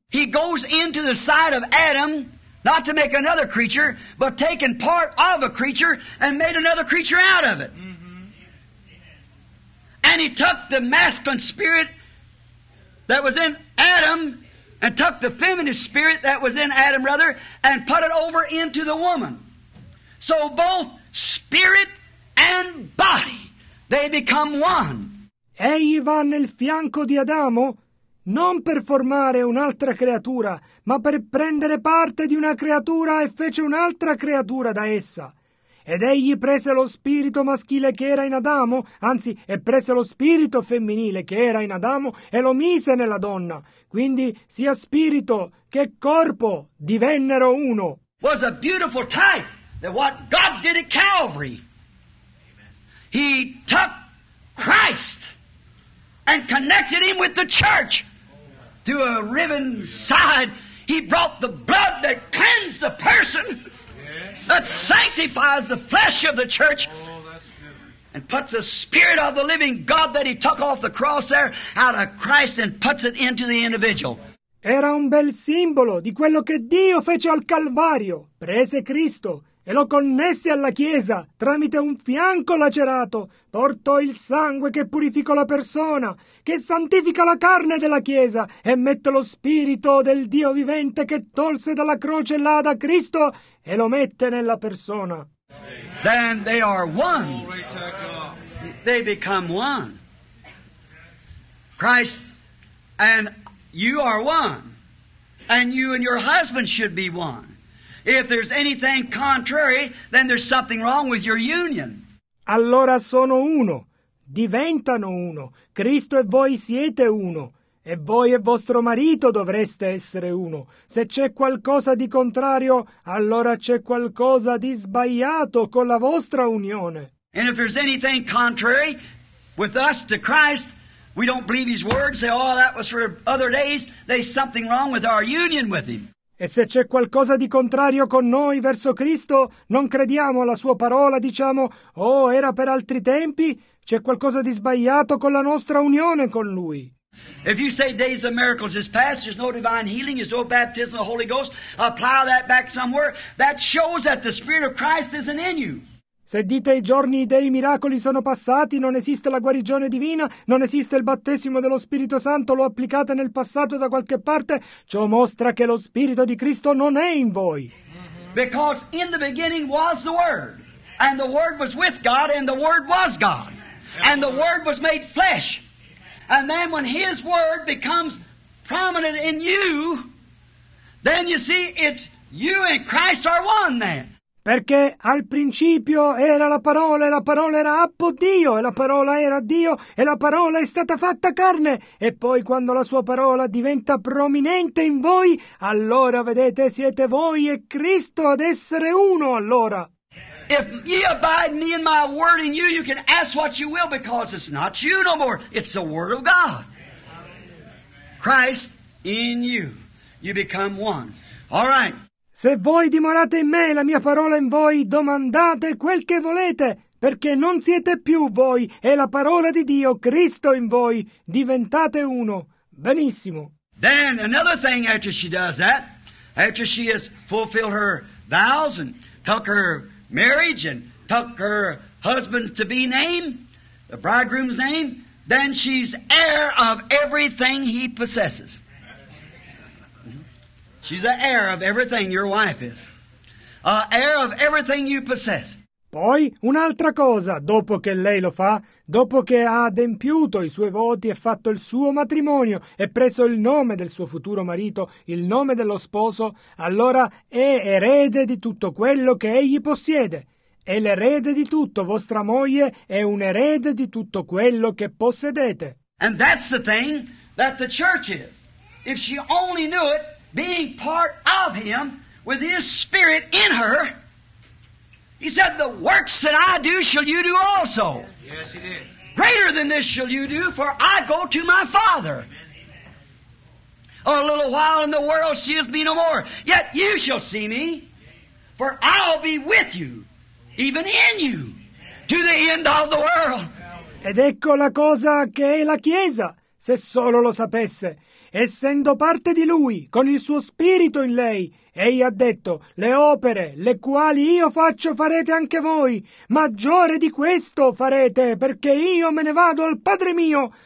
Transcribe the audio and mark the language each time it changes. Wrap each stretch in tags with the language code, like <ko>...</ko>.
<en>He goes into the side of Adam, not to make another creature, but taken part of a creature and made another creature out of it. And he took the masculine spirit that was in Adam and took the feminine spirit that was in Adam, rather, and put it over into the woman. So both spirit and body, they become one.</en> <it>Egli va nel fianco di Adamo non per formare un'altra creatura, ma per prendere parte di una creatura e fece un'altra creatura da essa. Ed egli prese lo spirito maschile che era in Adamo, anzi, e prese lo spirito femminile che era in Adamo e lo mise nella donna. Quindi sia spirito che corpo divennero uno.</it> <en>Was a beautiful type that what God did at Calvary. He took Christ and connected him with the church through a riven side. He brought the blood that cleansed the person, that sanctifies the flesh of the church, and puts the spirit of the living God that he took off the cross there out of Christ and puts it into the individual.</en> <it>Era un bel simbolo di quello che Dio fece al Calvario. Prese Cristo e lo connesse alla Chiesa tramite un fianco lacerato. Portò il sangue che purificò la persona, che santifica la carne della Chiesa, e mette lo spirito del Dio vivente che tolse dalla croce là da Cristo e lo mette nella persona.</it> <en>Then they are one. They become one. Christ and you are one. And you and your husband should be one. If there's anything contrary, then there's something wrong with your union.</en> <it>Allora sono uno, diventano uno. Cristo e voi siete uno, e voi e vostro marito dovreste essere uno. Se c'è qualcosa di contrario, allora c'è qualcosa di sbagliato con la vostra unione.</it> <en>And if there's anything contrary with us to Christ, we don't believe his words, say, oh, that was for other days, there's something wrong with our union with him.</en> <it>E se c'è qualcosa di contrario con noi verso Cristo, non crediamo alla sua parola, diciamo, oh, era per altri tempi, c'è qualcosa di sbagliato con la nostra unione con Lui.</it> <en>If you say days of miracles is past, there's no divine healing, there's no baptism of the Holy Ghost, apply that back somewhere, that shows that the Spirit of Christ isn't in you.</en> <it>Se dite i giorni dei miracoli sono passati, non esiste la guarigione divina, non esiste il battesimo dello Spirito Santo, lo applicate nel passato da qualche parte, ciò mostra che lo Spirito di Cristo non è in voi.</it> <en>Because in the beginning was the Word, and the Word was with God, and the Word was God, and the Word was made flesh. And then when His Word becomes prominent in you, then you see it's you and Christ are one then.</en> <it>Perché al principio era la parola, e la parola era appo Dio, e la parola era Dio, e la parola è stata fatta carne. E poi quando la sua parola diventa prominente in voi, allora vedete, siete voi e Cristo ad essere uno allora.</it> <en>If ye abide me and my word in you, you can ask what you will, because it's not you no more, it's the word of God. Christ in you, you become one. All right.</en> <it>Se voi dimorate in me, la mia parola in voi, domandate quel che volete, perché non siete più voi, è la parola di Dio, Cristo in voi, diventate uno. Benissimo.</it> <en>Then another thing after she does that, after she has fulfilled her vows and took her marriage and took her husband's to be name, the bridegroom's name, then she's heir of everything he possesses. She's an heir of everything your wife is. An heir of everything you possess.</en> <it>Poi, un'altra cosa, dopo che lei lo fa, dopo che ha adempiuto i suoi voti e fatto il suo matrimonio e preso il nome del suo futuro marito, il nome dello sposo, allora è erede di tutto quello che egli possiede. È l'erede di tutto, vostra moglie è un erede di tutto quello che possedete.</it> <en>And that's the thing that the church is. If she only knew it, being part of him with his spirit in her, he said, the works that I do shall you do also. Yes, he did. Greater than this shall you do, for I go to my Father. Amen. A little while in the world seeth me no more, yet you shall see me, for I'll be with you, even in you, to the end of the world.</en> <it>Ed ecco la cosa che è la Chiesa, se solo lo sapesse. Essendo parte di Lui, con il suo spirito in lei, egli ha detto, le opere le quali io faccio farete anche voi, maggiore di questo farete, perché io me ne vado al Padre mio.</it>